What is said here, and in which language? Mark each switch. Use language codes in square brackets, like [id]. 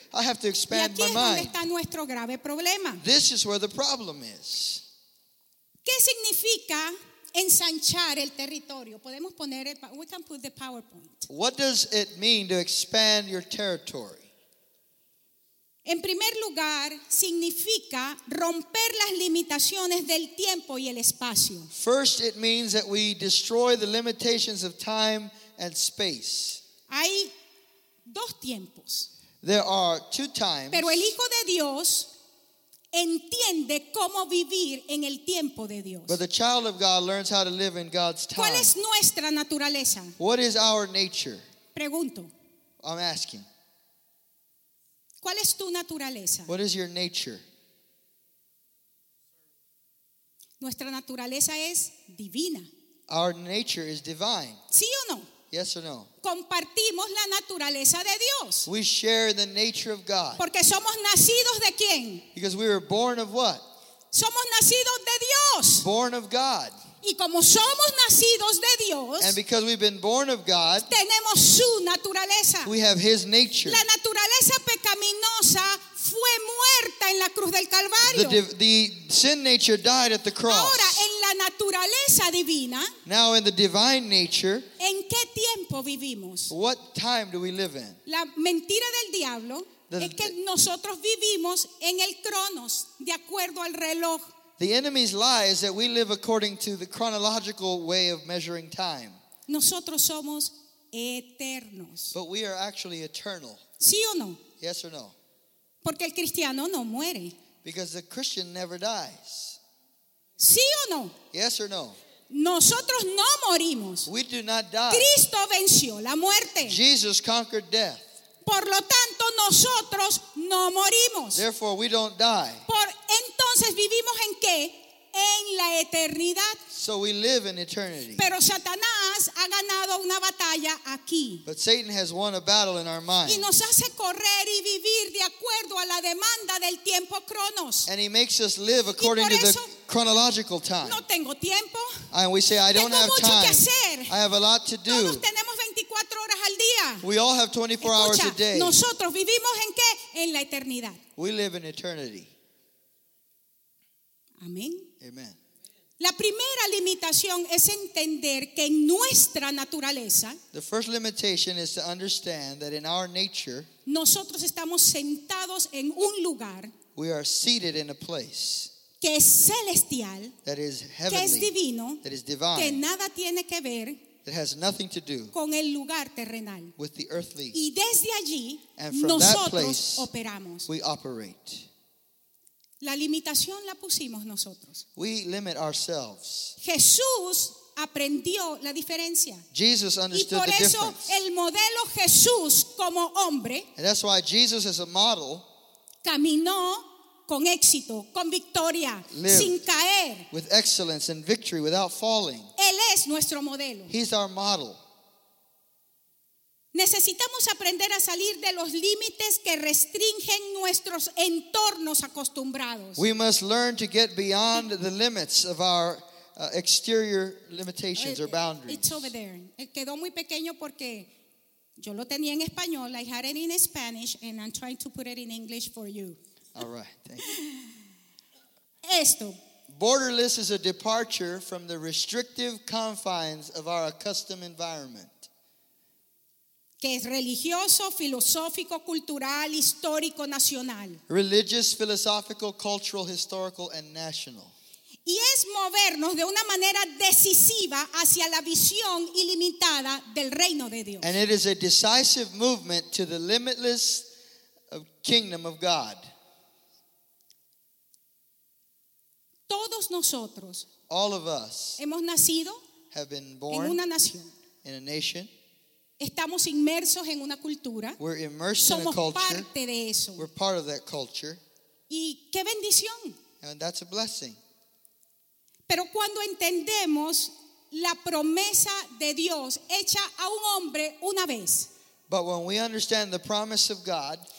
[es] aquí. [en] I have to expand my mind. [es] Está nuestro grave problema. [en] This is where the problem is. [es] ¿Qué significa ensanchar el territorio? Podemos poner el, [en] we can put the PowerPoint. What does it mean to expand your territory? [es] En primer lugar, significa romper las limitaciones del tiempo y el espacio. [en] First, it means that we destroy the limitations of time and space. [es] Hay dos tiempos. [en] There are two times. [es] Pero el Hijo de Dios entiende cómo vivir en el tiempo de Dios. [en] But the child of God learns how to live in God's time. [es] ¿Cuál es nuestra naturaleza? [en] What is our nature? [es] Pregunto. [en] I'm asking. [es] ¿Cuál es tu naturaleza? [en] What is your nature? [es] Nuestra naturaleza es divina. [en] Our nature is divine. [es] ¿Sí o no? [en] Yes or no? [es] Compartimos la naturaleza de Dios. [en] We share the nature of God. [es] Porque somos nacidos de quién? [en] Because we were born of what? [es] Somos nacidos de Dios. [en] Born of God. [es] Y como somos nacidos de Dios, [en] and because we've been born of God, [es] tenemos su naturaleza. [en] We have his nature. [es] La naturaleza pecaminosa fue muerta en la cruz del Calvario. [en] The sin nature died at the cross. [es] Ahora, en la naturaleza divina, [en] now in the divine nature, [es] ¿en qué tiempo vivimos? [en] What time do we live in? [es] La mentira del diablo es que nosotros vivimos en el cronos, de acuerdo al reloj. [en] The enemy's lie is that we live according to the chronological way of measuring time. [es] Nosotros somos eternos. [en] But we are actually eternal. [es] ¿Sí o no? [en] Yes or no? [es] Porque el cristiano no muere. [en] Because the Christian never dies. [es] ¿Sí o no? [en] Yes or no? [es] Nosotros no morimos. [en] We do not die. [es] Cristo venció la muerte. [en] Jesus conquered death. [es] Por lo tanto, nosotros no morimos. [en] Therefore, we don't die. [es] Entonces, ¿vivimos en qué? En la eternidad. [en] So we live in eternity. [es] Pero Satanás ha ganado una batalla aquí. [en] But Satan has won a battle in our mind. [es] Y nos hace correr y vivir de acuerdo a la demanda del tiempo cronos. [en] And he makes us live according to the chronological time. [es] No tengo tiempo. [en] And we say, I don't have time. [es] Tengo mucho que hacer. [en] I have a lot to do. [es] Todos tenemos 24 horas al día. [en] We all have 24 [es] Escucha, [en] hours a day. [es] Nosotros vivimos en qué? En la eternidad. [en] We live in eternity. [es] Amén. [en] Amen. [es] La primera limitación es entender que en nuestra naturaleza, [en] the first limitation is to understand that in our nature, [es] nosotros estamos sentados en un lugar, [en] we are seated in a place, [es] que es celestial, [en] that is heavenly, [es] que es divino, [en] that is divine, [es] que nada tiene que ver, [en] that has nothing to do, [es] con el lugar terrenal, [en] with the earthly, [es] y desde allí, [en] and from [es] nosotros [en] that place, [es] operamos, [en] we operate. [es] La limitación la pusimos nosotros. [en] We limit ourselves. [es] Jesús aprendió la diferencia. [en] Jesus understood the difference. [es] Y por eso el modelo Jesús como hombre. [en] And that's why Jesus as a model. [es] Caminó con éxito, con victoria, [en] lived [es] sin caer. [en] With excellence and victory without falling. [es] Él es nuestro modelo. [en] He's our model. [es] Necesitamos aprender a salir de los límites que restringen nuestros entornos acostumbrados. [en] We must learn to get beyond the limits of our exterior limitations or boundaries. It's over there. It [es] quedó muy pequeño porque yo lo tenía en español. [en] I had it in Spanish and I'm trying to put it in English for you. All right, thank you. [es] Esto. [en] Borderless is a departure from the restrictive confines of our accustomed environment. [es] Que es religioso, filosófico, cultural, histórico, nacional. [en] Religious, philosophical, cultural, historical, and national. [es] Y es movernos de una manera decisiva hacia la visión ilimitada del reino de Dios. [en] And it is a decisive movement to the limitless kingdom of God. [es] Todos nosotros, [en] all of us, [es] hemos nacido, [en] have been born [es] en una nación, [en] in a nation. [es] Estamos inmersos en una cultura. [en] We're immersed [es] somos [en] in a culture. [es] Parte de eso. [en] We're part of that culture. [es] Y qué bendición. [en] And that's a blessing. [es] Pero cuando entendemos la promesa de Dios hecha a un hombre una vez. [en] But when we understand the promise of God.